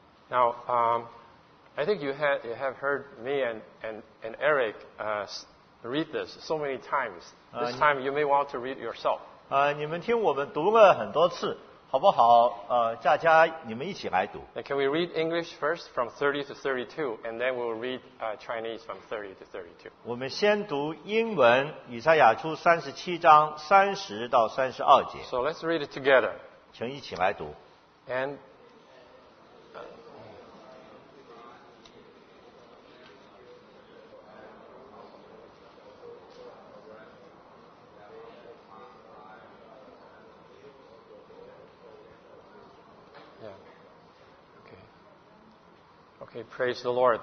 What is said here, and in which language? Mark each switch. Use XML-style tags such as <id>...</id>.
<en>Now, I think you have heard me and Eric read this so many times. This time you may want to read yourself.</en> <zh>你们听我们读了很多次。好不好？大家你们一起来读。</zh> <en>Can we read English first from 30 to 32, and then we'll read Chinese from 30 to 32?</en> <zh>我们先读英文，以赛亚书三十七章三十到三十二节。</zh> <en>So let's read it together.</en> <zh>请一起来读。</zh> <en>And Okay, praise the Lord.</en>